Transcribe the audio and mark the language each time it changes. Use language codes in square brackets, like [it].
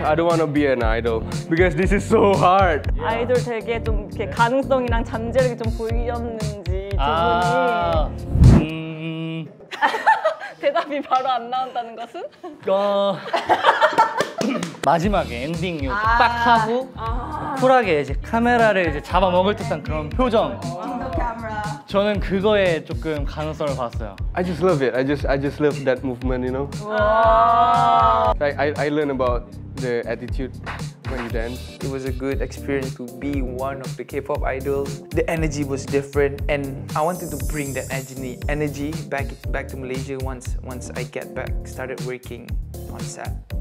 [en] I don't want to be an idol because this is so hard. [ko] Yeah. 아이돌 되게 좀 이렇게 yeah. 가능성이랑 잠재력이 좀 보였는지 두 분이. 아. 대답이 바로 안 나온다는 것은? 마지막에 엔딩 요 딱 하고 쿨하게 이제 카메라를 이제 잡아 먹을 듯한 그런 표정. 저는 그거에 조금 가능성을 봤어요. [en] I just love it. I just love that movement, you know. Wow. I learned about the attitude when you dance. It was a good experience to be one of the K-pop idols. The energy was different, and I wanted to bring that energy back to Malaysia once I get back, started working on set.